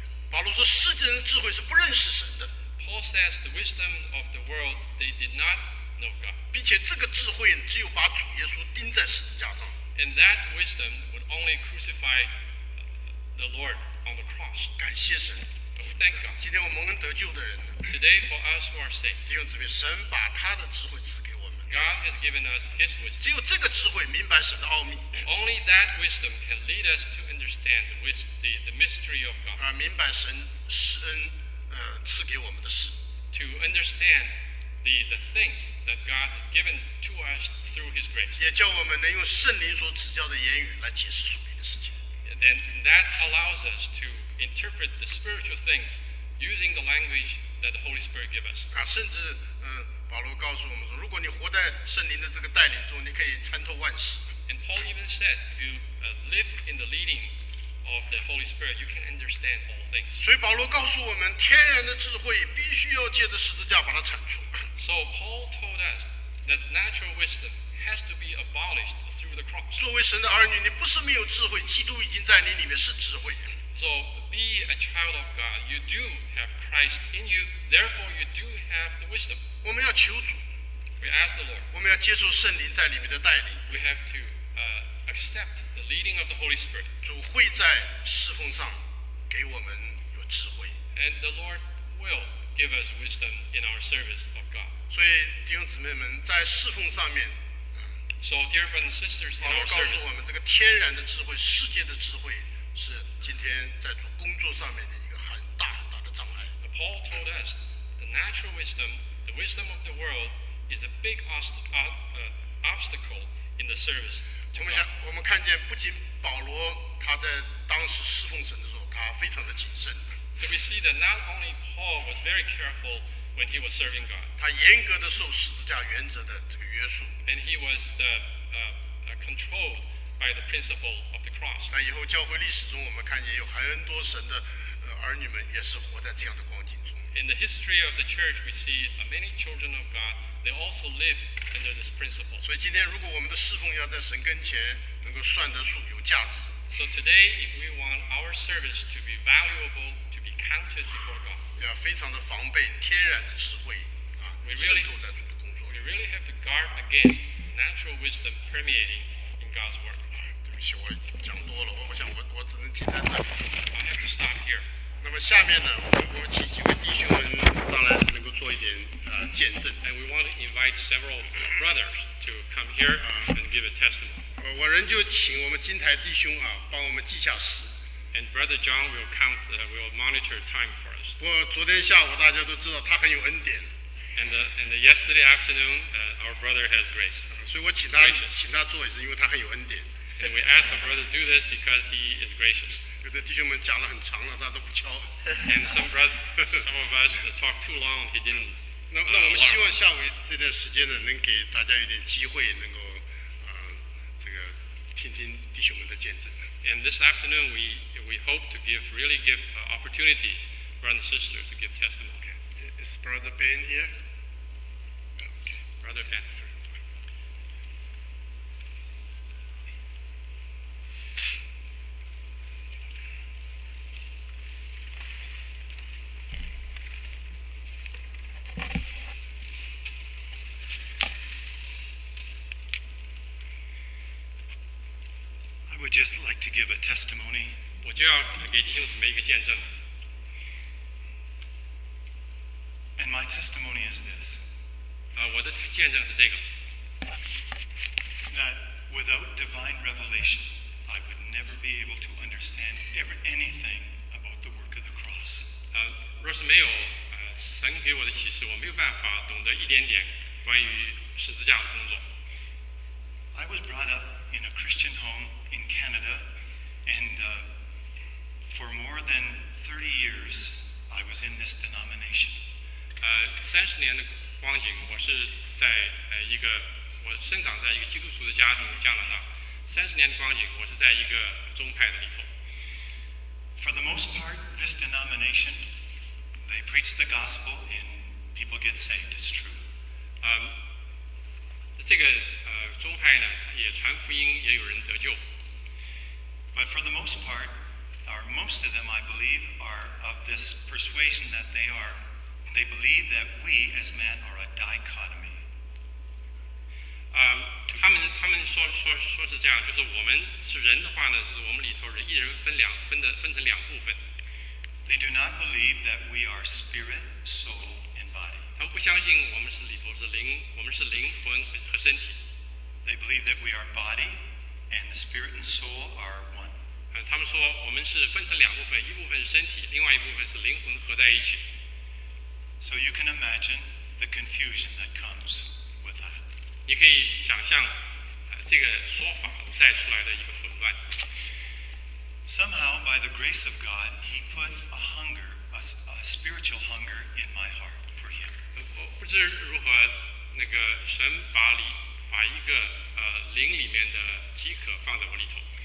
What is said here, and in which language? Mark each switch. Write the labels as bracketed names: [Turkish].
[Chinese] 保罗说世界人智慧是不认识神的。 [English] Paul says the wisdom of the world, they did not know God. [Chinese] 并且这个智慧只有把主耶稣钉在十字架上。 [English] And that wisdom would only crucify the Lord on the cross. [Chinese] 感谢神。 [English] Thank God. [Chinese] 今天我们蒙恩得救的人。 [English] Today for us who are saved. [Chinese] 弟兄姊妹，神把他的智慧赐给我们。 [English] God has given us His wisdom. [Chinese] 只有这个智慧明白神的奥秘。 [English] Only that wisdom can lead us to understand the mystery of God. [Chinese] 明白神施恩赐给我们的事。 [English] To understand the things that God has given to us through His grace. [Chinese] 也叫我们能用圣灵所指教的言语来解释属灵的事情。 [English] Then that allows us to interpret the spiritual things using the language that the Holy Spirit gives us. [Chinese] 甚至保罗告诉我们说，如果你活在圣灵的这个带领中，你可以参透万事。 [English] And Paul even said, if you live in the leading of the Holy Spirit, you can understand all things. [Chinese] 所以保罗告诉我们，天然的智慧必须要借着十字架把它铲除。 [English] So Paul told us that natural wisdom has to be abolished through the cross. [Chinese] 作为神的儿女，你不是没有智慧，基督已经在你里面是智慧。 [English] So be a child of God. You do have Christ in you. Therefore, you do have the wisdom. [Chinese] 我们要求主。 [English] We ask the Lord. [Chinese] 我们要接受圣灵在里面的带领。 [English] We have to accept the leading of the Holy Spirit. [Chinese] 主会在侍奉上给我们有智慧。 [English] And the Lord will give us wisdom in our service of God. [Chinese] 所以弟兄姊妹们在侍奉上面。 [English] So dear brothers and sisters, in our service. [Chinese] 告诉我们这个天然的智慧，世界的智慧。是今天在做工作上面的一个很大很大的障碍。 [English] Paul told us, the natural wisdom, the wisdom of the world, is a big obstacle in the service. [Chinese] 我们看见，不仅保罗他在当时侍奉神的时候，他非常的谨慎。 [English] So we see that not only Paul was very careful when he was serving God. [Chinese] 他严格的受十字架原则的这个约束。 [English] And he was controlled. By the principle of the cross. [Chinese] 在以后教会历史中，我们看见有很多神的儿女们也是活在这样的光景中。 [English] In the history of the church, we see many children of God. They also live under this principle. [Chinese] 所以今天，如果我们的侍奉要在神跟前能够算得数有价值 [English] ，So today, if we want our service to be valuable, to be counted before God, [Chinese] 要非常的防备天然的智慧渗透在主的工作。 [English] We really have to guard against natural wisdom permeating. God's word. [Chinese] 对不起，我讲多了，我想我只能停在这里。 [English] I have to stop here. [Chinese] 那么下面呢，我请几位弟兄们上来，能够做一点见证。 [English] And we want to invite several brothers to come here and give a testimony. [Chinese] 我仍旧请我们金台弟兄帮我们记下时。 [English] And Brother John will count, will monitor time for us. [Chinese] 不过昨天下午大家都知道他很有恩典。 [English] And yesterday afternoon, our brother has grace. [Chinese] 所以我请他做，也是因为他很有恩典。 [English] And we ask our brother to do this because he is gracious. [Chinese] 有的弟兄们讲了很长了，他都不敲。 [English] And some of us talk too long. He didn't. [Chinese] 那我们希望下午这段时间呢，能给大家一点机会，能够这个听听弟兄们的见证。 [English] And this afternoon, we hope to give opportunities, brother and sister, to give testimony. Is Brother Ben here? Brother Ben. I would just like to give a testimony. [Chinese] 我就要给弟兄姊妹一个见证。 [English] And my testimony is this. [Chinese] 我的见证是这个。 [English] That without divine revelation, I would never be able to understand anything about the work of the cross. [Chinese] 若是没有神给我的启示，我没有办法懂得一点点关于十字架的工作。 [English] I was brought up in a Christian home in Canada, and for more than 30 years, I was in this denomination. [Chinese] 三十年的光景，我是在一个我生长在一个基督徒的家庭加拿大。三十年的光景，我是在一个宗派的里头。 [English] For the most part, this denomination, they preach the gospel and people get saved. It's true. [Chinese] 这个宗派呢，也传福音，也有人得救。 [English] But for the most part, or most of them, I believe, are of this persuasion that they believe that we as men are a dichotomy. [Chinese] 他们说是这样，就是我们是人的话呢，就是我们里头人一人分两，分成两部分。 [English] They do not believe that we are spirit, soul, and body. [Chinese] 他们不相信我们是里头是灵，我们是灵魂和身体。 [English] They believe that we are body, and the spirit and soul are one. [Chinese] 他们说我们是分成两部分，一部分是身体，另外一部分是灵魂合在一起。 [English] So you can imagine the confusion that comes with that. [Chinese] 你可以想象。这个说法带出来的一个混乱。 [English] Somehow, by the grace of God, He put a hunger, a spiritual hunger in my heart for Him. [Chinese] 我不知如何，那个神把一个灵里面的饥渴放在我里头。